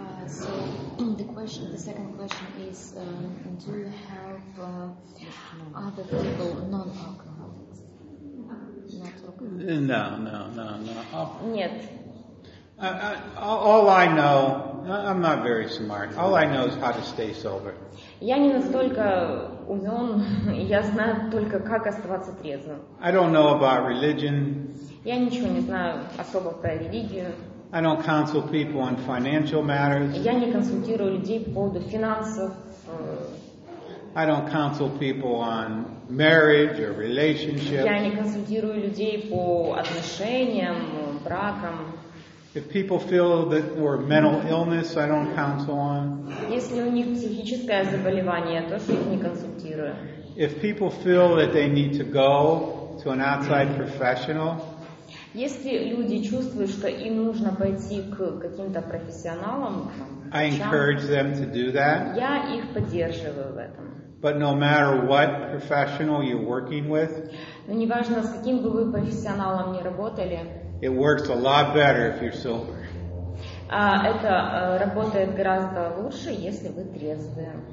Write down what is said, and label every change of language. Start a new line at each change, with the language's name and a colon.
English: So the second question is, do you help other people, non-alcoholics? No.
Russian: Нет.
English: All I know, I'm not very smart. All I know is how to stay sober.
Russian: Я не настолько умен, я знаю только, как оставаться трезвым.
English: I don't know about religion.
Russian: Я ничего не знаю особо про религию.
English: I don't counsel people on financial matters.
Russian: Я не консультирую людей по поводу финансов.
English: I don't counsel people on marriage or relationships.
Russian: Я не консультирую людей по отношениям, бракам.
English: If people feel that there are mental illness, I don't counsel on.
Russian: Если у них психическое заболевание, я тоже их не консультирую.
English: If people feel that they need to go to an outside professional.
Russian: Если люди чувствуют, что им нужно пойти к каким-то профессионалам,
English: I encourage them to do that.
Russian: Я их поддерживаю в этом.
English: But no matter what professional you're working with.
Russian: Но неважно, с каким бы вы профессионалом ни работали.
English: It works a lot better if you're sober.
Russian: Это работает гораздо лучше, если вы трезвые.